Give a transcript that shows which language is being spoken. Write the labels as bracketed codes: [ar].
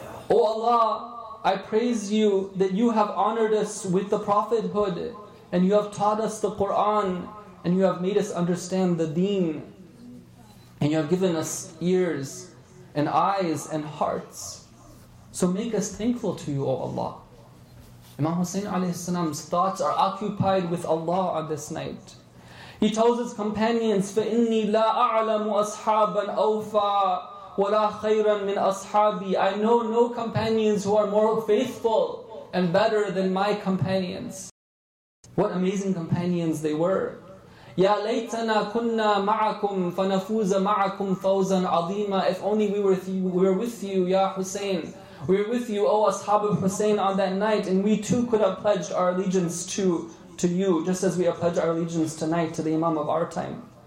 [en] O Allah, I praise You that You have honored us with the prophethood, and You have taught us the Qur'an, and You have made us understand the deen, and You have given us ears and eyes and hearts. So make us thankful to You, O Allah. Imam Hussein alayhi salam's thoughts are occupied with Allah on this night. He tells his companions, [ar] فَإِنِّي لَا أَعْلَمُ أَصْحَابًا أَوْفَى وَلَا خَيْرًا مِنْ أَصْحَابِي. [en] I know no companions who are more faithful and better than my companions. What amazing companions they were. [ar] يَا لَيْتَنَا كُنَّا مَعَكُمْ فَنَفُوزَ مَعَكُمْ فَوْزًا عَظِيمًا. [en] If only we were with you, Ya Hussein. We were with you, O Ashab of Hussein, on that night, and we too could have pledged our allegiance to you, just as we have pledged our allegiance tonight to the Imam of our time.